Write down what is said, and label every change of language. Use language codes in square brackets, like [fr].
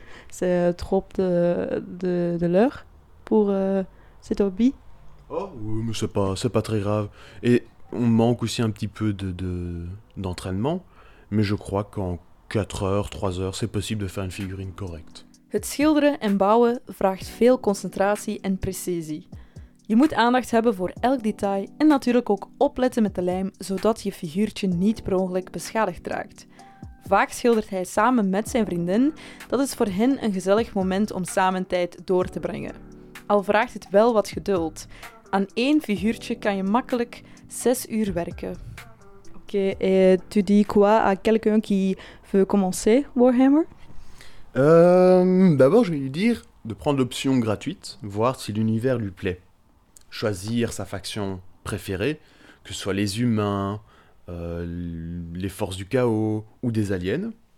[fr] C'est trop de l'heure pour cet hobby? Oh oui, mais c'est pas très grave. Et on manque aussi un petit peu d'entraînement. Mais je crois qu'en 4 heures, 3 heures, c'est possible de faire une figurine correcte. [nl] Het schilderen en bouwen vraagt veel concentratie en precisie. Je moet aandacht hebben voor elk detail en natuurlijk ook opletten met de lijm, zodat je figuurtje niet per ongeluk beschadigd raakt. Vaak schildert hij samen met zijn vriendin. Dat is voor hen een gezellig moment om samen tijd door te brengen. Al vraagt het wel wat geduld. Aan één figuurtje kan je makkelijk 6 uur werken. [fr] Oké, tu dis quoi à quelqu'un qui veut commencer Warhammer? D'abord, je vais lui dire de prendre l'option gratuite, voir si l'univers lui plaît. Choisir sa faction préférée, que ce soit les humains, les forces du chaos ou des aliens.